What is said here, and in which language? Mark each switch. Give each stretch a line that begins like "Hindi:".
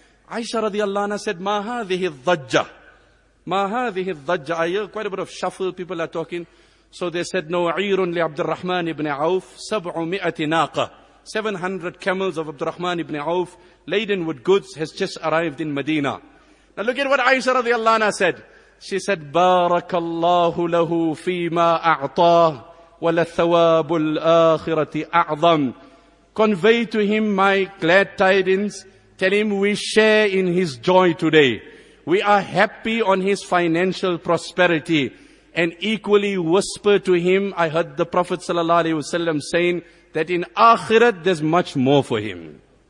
English: Aisha radiallahu anha said,
Arabic: ma hadhihi dhajja. Ma hadhihi dhajja.
English: I hear quite a bit of shuffle, people are talking. So they said, no,
Arabic: عِيرٌ لِعَبْدُرْرَحْمَانِ
English: ibn Auf, 700 naqa. 700 camels of Abdurrahman ibn Auf, laden with goods, has just arrived in Medina. Now look at what Aisha radiallahu anha said. She said,
Arabic: بَارَكَ اللَّهُ لَهُ فِي مَا أَعْطَاهُ وَلَثَوَابُ الْآخِرَةِ أَعْظَمُ.
English: Convey to him my glad tidings. Tell him we share in his joy today. We are happy on his financial prosperity. And equally whisper to him, I heard the Prophet sallallahu alaihi wasallam saying that in akhirat there's much more for him.